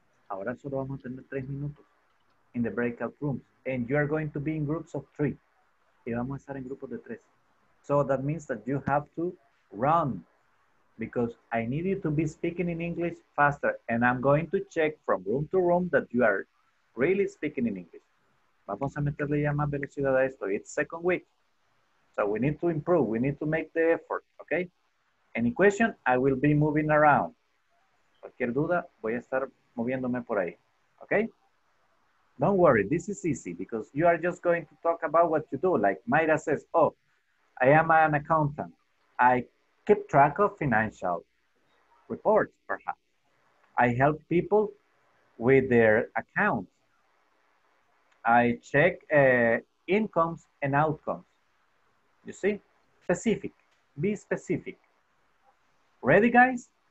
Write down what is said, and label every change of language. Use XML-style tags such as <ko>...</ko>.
<es>Ahora solo vamos a tener 3 minutos</es> <en>in the breakout rooms. And you are going to be in groups of 3.</en> <es>Y vamos a estar en grupos de 3.</es> <en>So that means that you have to run because I need you to be speaking in English faster. And I'm going to check from room to room that you are really speaking in English.</en> <es>Vamos a meterle ya más velocidad a esto.</es> <en>It's second week. So we need to improve. We need to make the effort. Okay? Any question? I will be moving around.</en> <es>Cualquier duda, voy a estar moviéndome por ahí.</es> <en>Okay? Don't worry. This is easy because you are just going to talk about what you do. Like Mayra says, oh, I am an accountant. I keep track of financial reports, perhaps. I help people with their accounts. I check incomes and outcomes. You see? Specific. Be specific. Ready, guys?</en>